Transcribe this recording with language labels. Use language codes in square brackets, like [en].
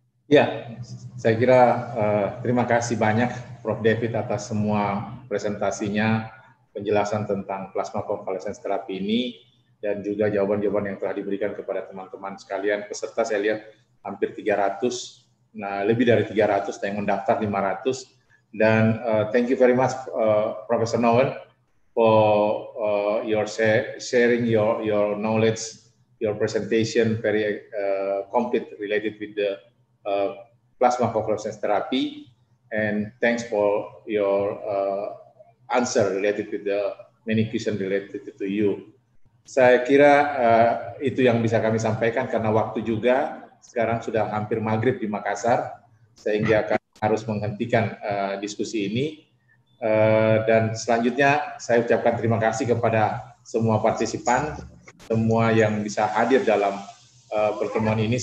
[id] Ya, saya kira terima kasih banyak Prof. David atas semua presentasinya, penjelasan tentang plasma convalescence therapy ini, dan juga jawaban-jawaban yang telah diberikan kepada teman-teman sekalian peserta. Saya lihat hampir 300, nah lebih dari 300, yang mendaftar 500. [en] Dan thank you very much, Professor Nowen, for sharing your knowledge, your presentation very complete related with the plasma convalescence therapy, and thanks for your answer related with the many questions related to you. [id] Saya kira itu yang bisa kami sampaikan karena waktu juga sekarang sudah hampir maghrib di Makassar, sehingga kami harus menghentikan diskusi ini. Dan selanjutnya saya ucapkan terima kasih kepada semua partisipan, semua yang bisa hadir dalam pertemuan ini.